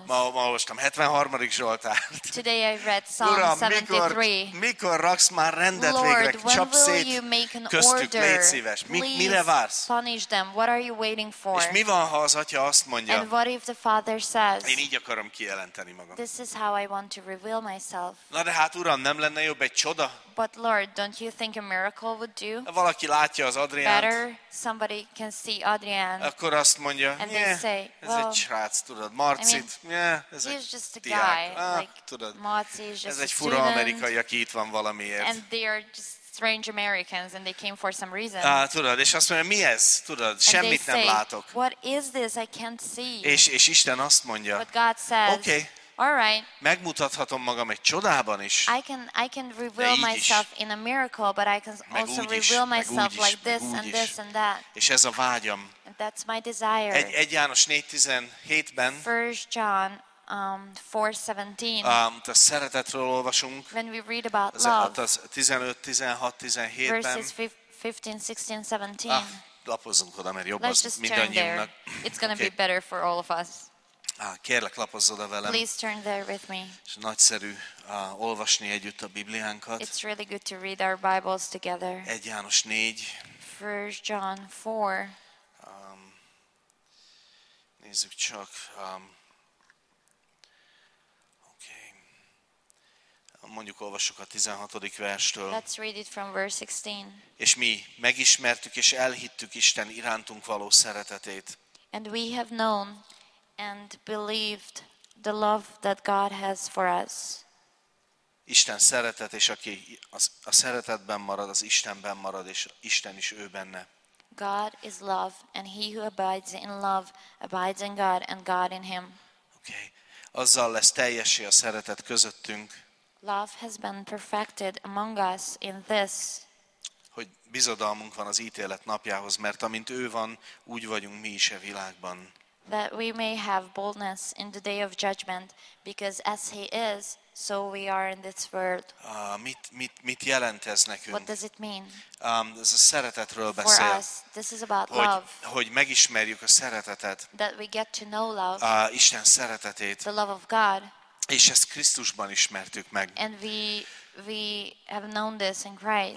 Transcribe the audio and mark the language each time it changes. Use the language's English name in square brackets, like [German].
[Hungarian] Ma olvastam 73. Zsoltárt. [English] Today I read Psalm 73. [Hungarian] Mikor raksz már rendet végre? Csap szét köztük, légy szíves. Mire vársz? [English] Punish them. What are you waiting for? [Hungarian] És mi van, ha az Atya azt mondja? [English] And what if the Father says? [Hungarian] Én így akarom kijelenteni magam. [English] This is how I want to reveal myself. [Hungarian] Na de hát, Uram, nem lenne jobb egy csoda? [English] But Lord, don't you think a miracle would do? [Hungarian] Valaki látja az Adriánt. [English] Better somebody can see Adrián. [Hungarian] Akkor azt mondja, [English] and they say, [Hungarian] ez egy srác, tudod, Marcit. [English] I mean, [Hungarian] ez egy diák. Tudod, ez egy fura amerikai, aki itt van valamiért. [English] And they are just strange Americans and they came for some reason. [Hungarian] Tudod, és azt mondja, mi ez? Tudod, semmit nem látok. [English] What is this? I can't see. [Hungarian] És Isten azt mondja, [English] but God says, okay. All right. [Hungarian] Megmutathatom magam egy csodában is. [English] I can reveal myself in a miracle, but I can also reveal myself like this and this and that. [Hungarian] És ez a vágyam. [English] And that's my desire. [Hungarian] Egy János 4:17-ben. [English] 1 John 4:17. [Hungarian] A szeretetről olvasunk. [English] When we read about love. [Hungarian] Az 15:16-17-ben. [English] Verses 15:16-17. [Hungarian] Lapozzunk oda, mert jobb az mindannyiunknak. [English] It's going to be better for all of us. [Hungarian] Kérlek, lapozz oda velem. [English] Please turn there with me. [Hungarian] És nagyszerű olvasni együtt a Bibliánkat. [English] It's really good to read our Bibles together. [Hungarian] 1 János 4. [English] 1 John 4. [Hungarian] Nézzük csak. Okay. Mondjuk olvassuk a 16. verstől. [English] Let's read it from verse 16. [Hungarian] És mi megismertük és elhittük Isten irántunk való szeretetét. [English] And we have known and believed the love that God has for us. [Hungarian] Isten szeretet, és aki a szeretetben marad, az Istenben marad, és Isten is ő benne. [English] God is love, and he who abides in love abides in God, and God in him. Okay. [Hungarian] Azzal lesz teljessé a szeretet közöttünk. [English] Love has been perfected among us in this. [Hungarian] hogy bizodalmunk van az ítélet napjához, mert amint ő van, úgy vagyunk mi is a világban. [English] That we may have boldness in the day of judgment, because as he is, so we are in this world. [Hungarian] Mit jelent ez nekünk? [English] What does it mean? [Hungarian] Ez a szeretetről beszél. [English] For us, this is about love. [Hungarian] Hogy megismerjük a szeretetet. [English] That we get to know love. [Hungarian] Isten szeretetét. [English] The love of God. [Hungarian] És ezt Krisztusban ismertük meg. [English] And we have known this in Christ.